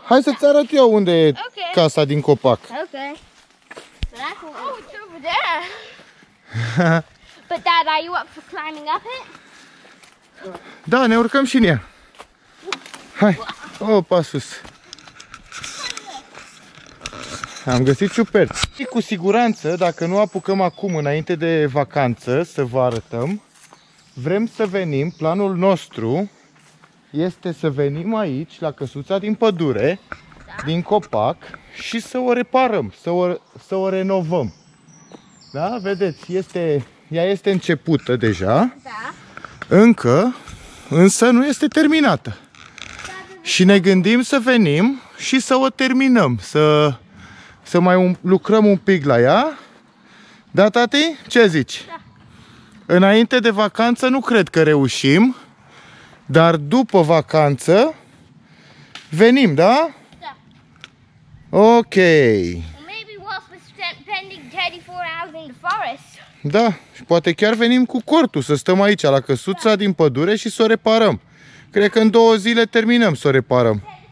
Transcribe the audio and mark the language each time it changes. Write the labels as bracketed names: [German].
[Romanian] Hai să-ți arăt eu unde e casa din copac. [English] Ok. Oh, it's over there. But dad, are you up for climbing up it? [Romanian] Da, ne urcăm și în ea. Hai, opa sus. Am găsit ciuperci. Și cu siguranță, dacă nu apucăm acum, înainte de vacanță, să vă arătăm, vrem să venim, planul nostru este să venim aici, la căsuța din pădure, da, din copac, și să o reparăm, să o renovăm. Da? Vedeți, ea este începută deja, da, încă, însă nu este terminată. Da, și ne gândim să venim și să o terminăm, să mai lucrăm un pic la ea. Da, tati? Ce zici? Da. Înainte de vacanță nu cred că reușim, dar după vacanță venim, da? Da. Ok. [English] Maybe we'll spend 34 hours in the forest. [Romanian] Da, și poate chiar venim cu cortul să stăm aici la căsuța, da, din pădure și să o reparăm. Cred că în două zile terminăm să o reparăm.